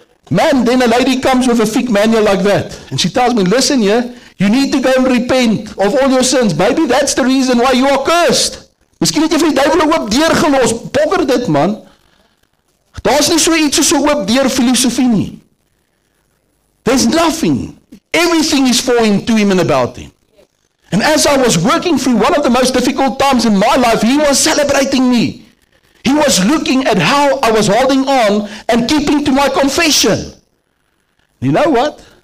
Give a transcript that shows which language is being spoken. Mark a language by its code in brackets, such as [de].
[en] Man, then a lady comes with a thick manual like that. And she tells me, listen here. You need to go and repent of all your sins. Maybe that's the reason why you are cursed. [af] Miskien het jy vir die duivel 'n oop deur gelos. Bokker dit, man. Daar's nie so iets soos 'n oop deur filosofie nie. [en] There's nothing. Everything is for him, to him, and about him. And as I was working through one of the most difficult times in my life, he was celebrating me. He was looking at how I was holding on and keeping to my confession. You know what?